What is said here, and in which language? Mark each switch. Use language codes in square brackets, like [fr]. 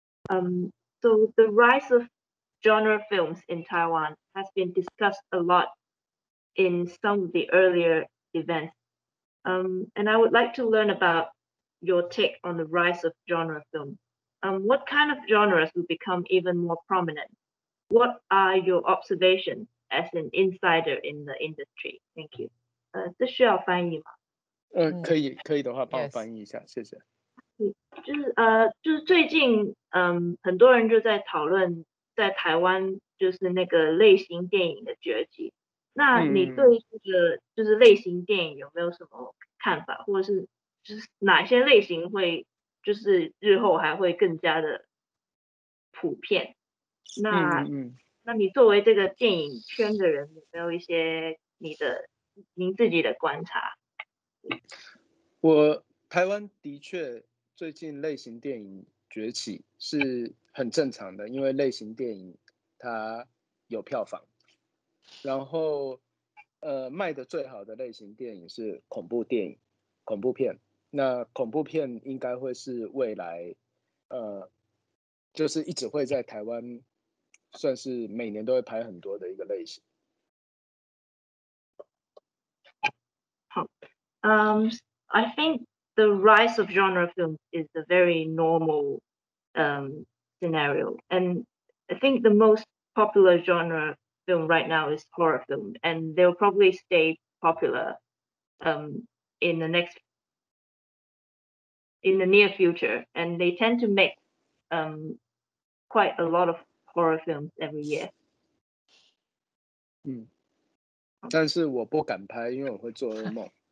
[en] So the rise of genre films in Taiwan has been discussed a lot in some of the earlier events. And I would like to learn about your take on the rise of genre film. What kind of genres will become even more prominent? What are your observations as an insider in the industry? Thank you. [zh] 这需要翻译吗？可以的话帮我翻译一下、谢谢。就是最近很多人就在讨论在台湾就是那个类型电影的崛起。那你对这个就是类型电影有没有什么看法，或者是就是哪些类型会就是日后还会更加的普遍？那你作为这个电影圈的人有没有一些您自己的观察？我台湾的确最近类型电影崛起是很正常的，因为类型电影它有票房，然后卖的最好的类型电影是恐怖电影，恐怖片。那恐怖片应该会是未来就是一直会在台湾算是每年都会拍很多的一个类型。好。 [en] I think the rise of genre films is a very normal scenario, and I think the most popular genre film right now is horror film, and they'll probably stay popular in the near future, and they tend to make quite a lot of horror films every year. [zh] 但是我不敢拍，因为我会做噩梦。